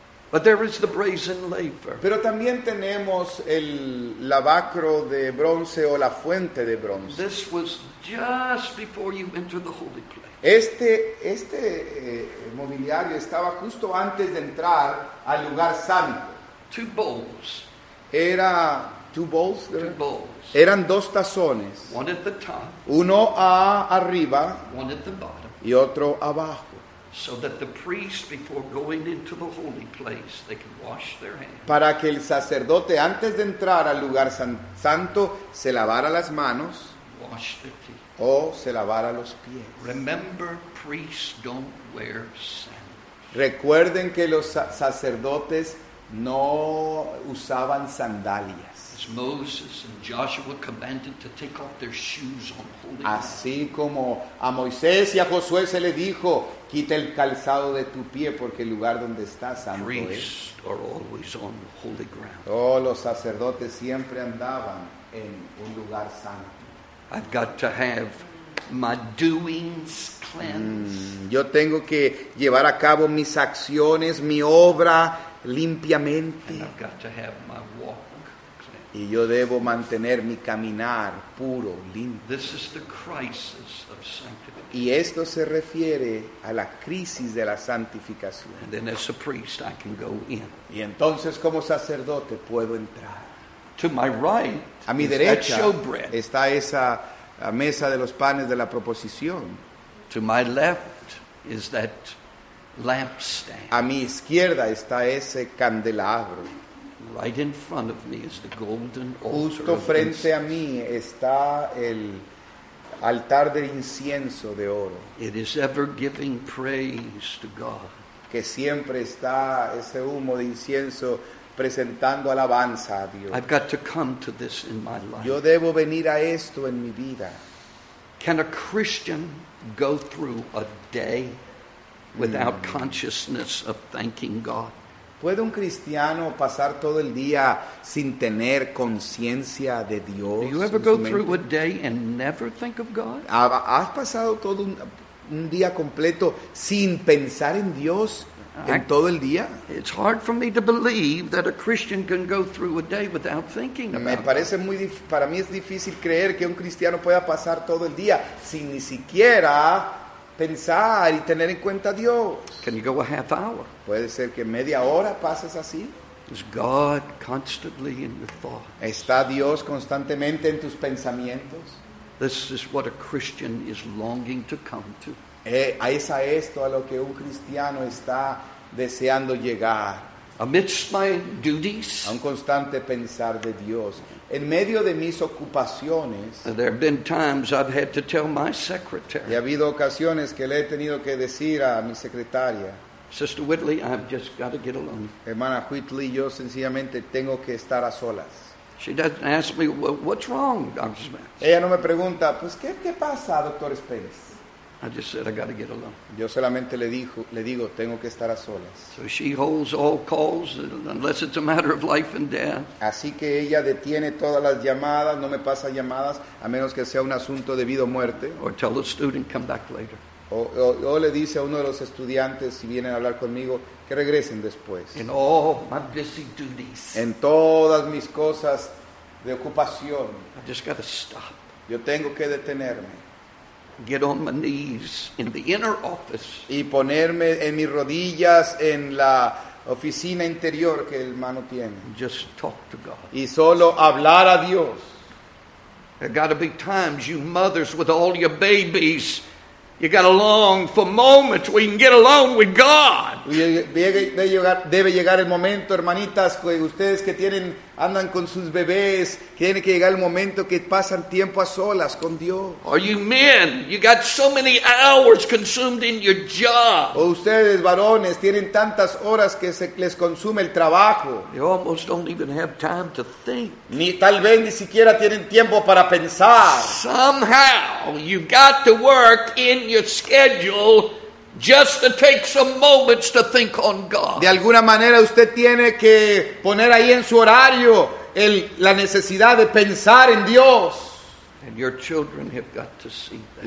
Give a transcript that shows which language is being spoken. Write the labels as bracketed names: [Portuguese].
[English] But there is the brazen laver. [Spanish] Pero también tenemos el lavacro de bronce o la fuente de bronce. [English] This was just before you entered the holy place. [Spanish] Este mobiliario estaba justo antes de entrar al lugar santo. [English] Two bowls. [Spanish] Era [English] two bowls. Two bowls. [Spanish] Eran dos tazones. [English] One at the top. [Spanish] Uno arriba. [English] One at the bottom. [Spanish] Y otro abajo. [English] So that the priest, before going into the holy place, they can wash their hands. [Spanish] Para que el sacerdote, antes de entrar al lugar santo, se lavara las manos. [English] Wash their feet. [Spanish] O se lavara los pies. [English] Remember, priests don't wear sandals. [Spanish] Recuerden que los sacerdotes no usaban sandalias. [English] Moses and Joshua commanded to take off their shoes on holy ground. [Spanish] Así como a Moisés y a Josué se le dijo, quita el calzado de tu pie porque el lugar donde estás santo es. [English] Priests are always on holy ground. [Spanish] Oh, los sacerdotes siempre andaban en un lugar santo. [English] I've got to have my doings cleansed. [Spanish] Yo tengo que llevar a cabo mis acciones, mi obra limpiamente. [English] And I've got to have my walk. [Spanish] Y yo debo mantener mi caminar puro, limpio. [English] This is the crisis of sanctification. [Spanish] Y esto se refiere a la crisis de la santificación. [English] And then as a priest, I can go in. [Spanish] Y entonces como sacerdote puedo entrar. [English] To my right, [Spanish] a mi derecha [English] that showbread. [Spanish] Está esa mesa de los panes de la proposición. [English] To my left is that lampstand. [Spanish] A mi izquierda está ese candelabro. [English] Right in front of me is the golden altar. [Spanish] Justo frente a mí está el altar de incienso de oro. [English] It is ever giving praise to God. [Spanish] Que siempre está ese humo de incienso presentando alabanza a Dios. [English] I've got to come to this in my life. [Spanish] Yo debo venir a esto en mi vida. [English] Can a Christian go through a day without consciousness of thanking God? [Spanish] ¿Puede un cristiano pasar todo el día sin tener conciencia de Dios? [English] Do you ever go through a day and never think of God? [Spanish] ¿Has pasado todo un día completo sin pensar en Dios en todo el día? [English] It's hard for me to believe that a Christian can go through a day without thinking about [Spanish] me parece muy para mí es difícil creer que un cristiano pueda pasar todo el día sin ni siquiera pensar y tener en cuenta a Dios. [English] Can you go a half hour? [Spanish] ¿Puede ser que media hora pases así? [English] Is God constantly in your thoughts? [Spanish] ¿Está Dios constantemente en tus pensamientos? [English] This is what a Christian is longing to come to. [Spanish] Es a esto a lo que un cristiano está deseando llegar. [English] Amidst my duties, [Spanish] a un constante pensar de Dios. En medio de mis ocupaciones, [English] there have been times I've had to tell my secretary. [Spanish] Y ha habido ocasiones que le he tenido que decir a mi secretaria, [English] Sister Whitley, I've just got to get alone. [Spanish] Hermana Whitley, yo sencillamente tengo que estar a solas. [English] She doesn't ask me, well, what's wrong, Dr. Spence? [Spanish] Ella no me pregunta, pues, ¿qué pasa, Dr. Spence? [English] I just said, I got to get alone. [Spanish] Yo solamente le digo, tengo que estar a solas. [English] So she holds all calls, unless it's a matter of life and death. [Spanish] Así que ella detiene todas las llamadas, no me pasa llamadas, a menos que sea un asunto de vida o muerte. [English] Or tell the student, come back later. [Spanish] O le dice a uno de los estudiantes, si vienen a hablar conmigo, que regresen después. [English] In all my busy duties. [Spanish] En todas mis cosas de ocupación. [English] I just got to stop. [Spanish] Yo tengo que detenerme. [English] Get on my knees in the inner office. [Spanish] Y ponerme en mis rodillas en la oficina interior que el hermano tiene. [English] Just talk to God. [Spanish] Y solo hablar a Dios. [English] There gotta be times you mothers with all your babies. You gotta long for moments we can get alone with God. [Spanish] Debe llegar el momento, hermanitas, que ustedes que tienen andan con sus bebés, tiene que llegar el momento que pasan tiempo a solas con Dios. [English] Are you men? You got so many hours consumed in your job. [Spanish] O ustedes varones tienen tantas horas que se les consume el trabajo. [English] You almost don't even have time to think. [Spanish] Ni tal vez ni siquiera tienen tiempo para pensar. [English] Somehow you got to work in your schedule Just to take some moments to think on God. [Spanish] De alguna manera usted tiene que poner ahí en su horario el, la necesidad de pensar en Dios. [English] And your children have got to see that.